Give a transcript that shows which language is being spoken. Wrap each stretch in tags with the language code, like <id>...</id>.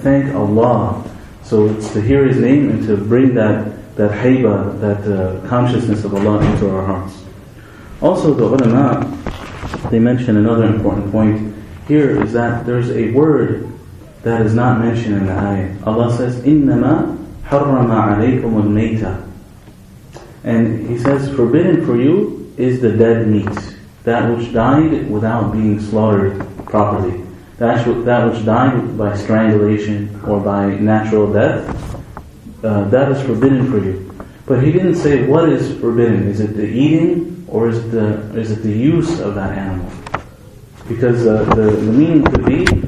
<en>Thank Allah. So it's to hear His name and to bring that haybah, that consciousness of Allah into our hearts. Also the ulama, they mention another important point here, is that there's a word that is not mentioned in the ayah. Allah says,</en> <ar>إِنَّمَا حَرَّمَ عَلَيْكُمُ الْمَيْتَ.</ar> <en>And He says, forbidden for you is the dead meat, that which died without being slaughtered properly. That which died by strangulation or by natural death, that is forbidden for you. But He didn't say what is forbidden. Is it the eating, or is it the use of that animal? Because the meaning could be</en>